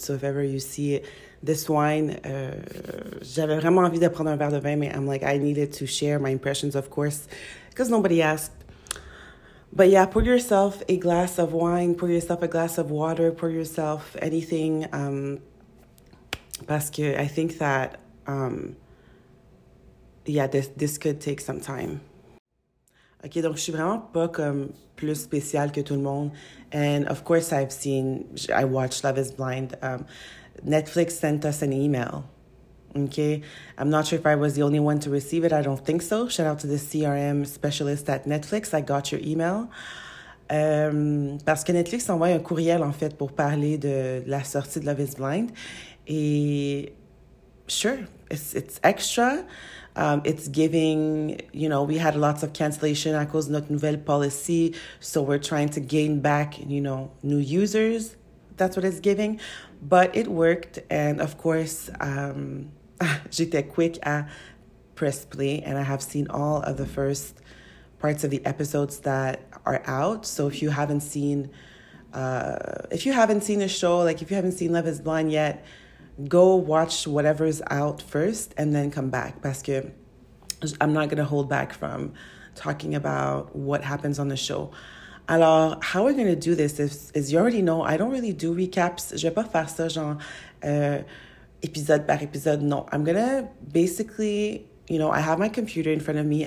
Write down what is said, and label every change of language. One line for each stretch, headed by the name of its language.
English: So if ever you see this wine,
French: j'avais vraiment envie de prendre un verre de vin,
English: mais I'm like, I needed to share my impressions, of course, because nobody asked. But yeah, pour yourself a glass of wine, pour yourself a glass of water, pour yourself anything,
French: parce que
English: I think that, yeah, this could take some time.
French: Ok, donc je suis vraiment pas comme plus spéciale que tout le monde.
English: And of course, I watched Love is Blind. Netflix sent us an email. Ok, I'm not sure if I was the only one to receive it. I don't think so. Shout out to the CRM specialist at Netflix. I got your email.
French: Parce que Netflix envoie un courriel en fait pour parler de la sortie de Love is Blind.
English: Et sure, it's extra. It's giving, we had lots of cancellation
French: à cause de notre nouvelle
English: policy, so we're trying to gain back, new users. That's what it's giving, but it worked, and of course,
French: j'étais
English: quick à press play, and I have seen all of the first parts of the episodes that are out. So if you haven't seen the show, if you haven't seen Love is Blind yet, go watch whatever's out first and then come back.
French: Parce que
English: I'm not going to hold back from talking about what happens on the show. Alors, how are we going to do this? As you already know, I don't really do recaps.
French: Je vais pas faire ça, genre, épisode par épisode.
English: Non, I'm going to basically, you know, I have my computer in front of me.